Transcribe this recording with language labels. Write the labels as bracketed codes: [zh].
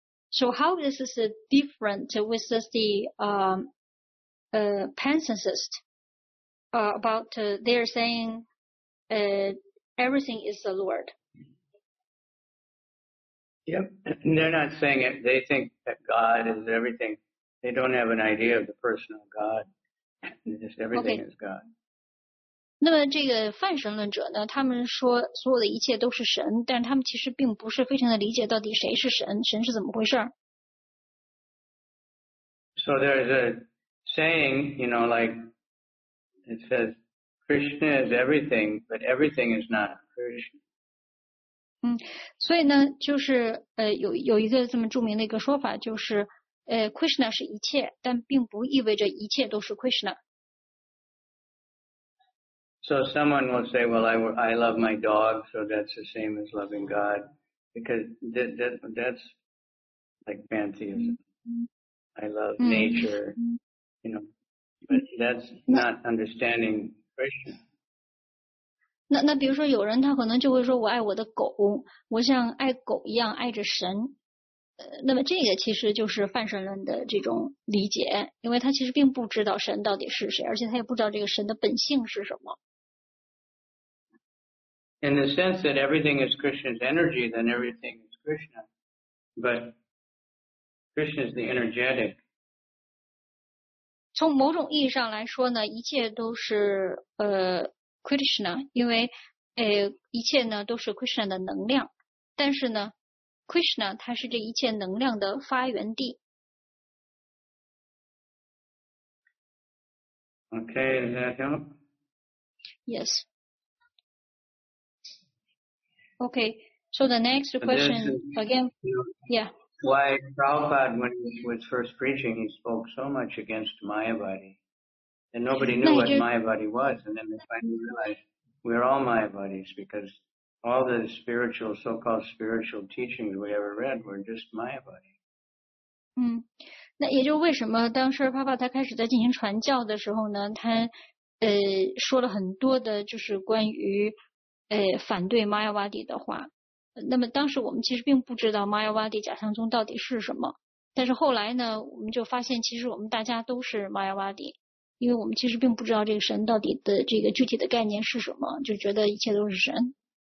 [en] So how this is different with the pantheist about they're saying everything is the Lord. Yep, they're not saying it. They think that God is everything. They don't have an idea of the personal God. Just everything is God. [zh] 那么这个泛神论者呢，他们说所有的一切都是神，但他们其实并不是非常的理解到底谁是神，神是怎么回事。 [en] So there is a saying, you know, like it says, Krishna is everything, but everything is not Krishna. [zh] 所以呢，就是有一个这么著名的一个说法，就是Krishna 是一切，但并不意味着一切都是 Krishna。 [en] So someone will say, well, I love my dog, so that's the same as loving God. Because that's like pantheism. I love nature, you know. But that's not understanding Krishna. [zh] 那比如说有人他可能就会说我爱我的狗，我像爱狗一样爱着神。那么这个其实就是泛神论的这种理解，因为他其实并不知道神到底是谁，而且他也不知道这个神的本性是什么。 [en] In the sense that everything is Krishna's energy, then everything is Krishna. But Krishna is the energetic. [zh] 从某种意义上来说呢，一切都是Krishna， 因为一切呢都是 Krishna 的能量，但是呢 Krishna 它是这一切能量的发源地。 [en] Okay, does that help? Yes. Okay, so the next question is, again, yeah. Why Prabhupada, when he was first preaching, he spoke so much against Mayavadi, and nobody knew what Mayavadi was, and then they finally realized we're all Mayavadis, because all the spiritual, so-called spiritual teachings we ever read were just Mayavadi. [zh] 那也就为什么当时帕帕他开始在进行传教的时候呢，他说了很多的就是关于反对 Mayavadi 的话。那么当时我们其实并不知道 Mayavadi 假象宗到底是什么，但是后来呢，我们就发现其实我们大家都是 Mayavadi， 因为我们其实并不知道这个神到底的这个具体的概念是什么，就觉得一切都是神。